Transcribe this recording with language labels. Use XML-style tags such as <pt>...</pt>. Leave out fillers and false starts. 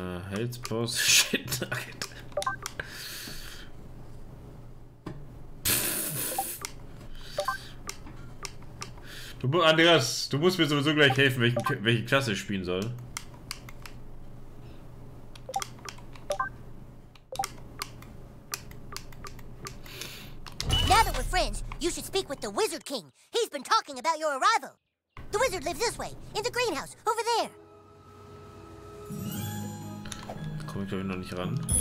<de>Heldspause. Shit, Alter. Andreas, du musst mir sowieso gleich helfen, welche Klasse ich spielen soll.</de> <en>Now that we're friends, you should speak with the Wizard King. He's been talking about your arrival. The Wizard lives this way, in the greenhouse, over there.</en> <de>Da komme ich glaube ich noch nicht ran.</de>